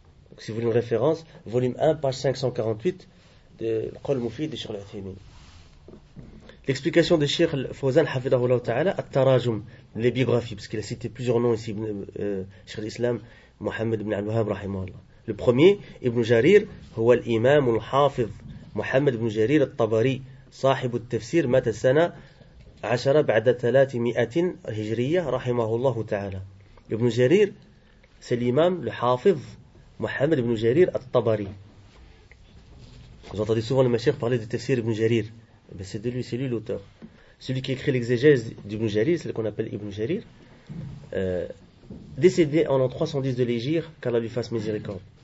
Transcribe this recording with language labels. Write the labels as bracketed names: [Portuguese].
[French] Donc, si vous voulez une référence, volume 1, page 548 de Qul Mufid de Sharh Uthaymin. L'explication de Sheikh Fawzan, [Arabic] hafidahullah ta'ala, [French] at-tarajum, les biographies, parce qu'il a cité plusieurs noms ici, Sheikh l'Islam, Mohamed ibn al-Wahhab, rahimahullah. Le premier, Ibn Jarir, هو l'imam al-hafid. [Arabic] محمد بن جرير الطبري صاحب التفسير مات سنة عشرة بعد 300 هجرية رحمه الله تعالى. ابن جرير سليمان الحافظ محمد بن جرير الطبري. [French] Vous entendez souvent le mashaykh parler du tafsir ibn Jarir. Ben c'est de lui, c'est lui l'auteur. Celui qui écrit l'exégèse d'Ibn Jarir, c'est ce qu'on appelle Ibn Jarir. Décédé en l'an 310 de l'Hégire, qu'Allah lui fasse miséricorde.